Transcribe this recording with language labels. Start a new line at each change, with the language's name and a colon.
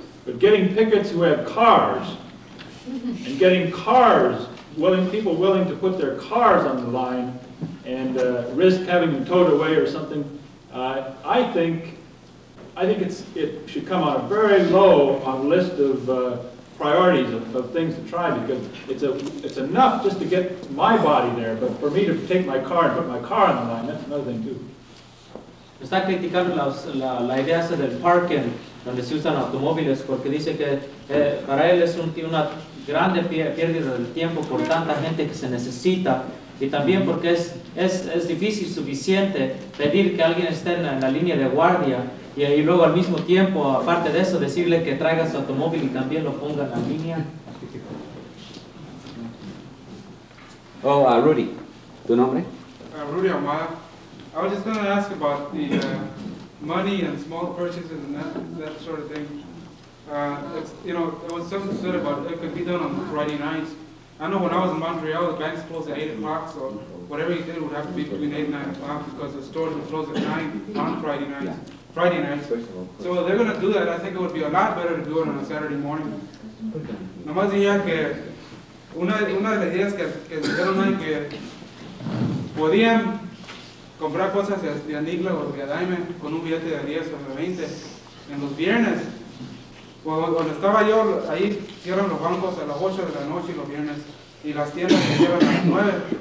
English: But getting pickets who have cars, and getting cars, people willing to put their cars on the line and risk having them towed away or something, I think it should come on a very low on the list of priorities of things to try, because it's enough just to get my body there, but for me to take my car and put my car on the line, that's another thing too.
Spanish: Está criticando la idea del parking donde se usan automóviles, porque dice que para él es una grande pérdida del tiempo por tanta gente que se necesita, y también porque es difícil suficiente pedir que alguien esté en la línea de guardia. Y luego al mismo tiempo, aparte de eso, decirle que traiga su automóvil y también lo ponga en la línea. Oh, Rudy, ¿tu nombre? Rudy Amaya.
English: I was just going to ask about the money and small purchases and that sort of thing. There was something said about it could be done on Friday nights. I know when I was in Montreal, the banks closed at 8 o'clock, so whatever you did would have to be between 8 and 9 o'clock because the stores would close at 9 on Friday nights. Yeah. Friday night. So they're going to do that. I think it would be a lot better to do it on a Saturday morning.
Spanish: Nomás diría que una de las ideas que dijeron ahí que podían comprar cosas de Anigla o de Adaime con un billete de 10 o de 20 en los viernes. Cuando estaba yo ahí, cierran los bancos a las 8 de la noche los viernes y las tiendas se llevan a las 9.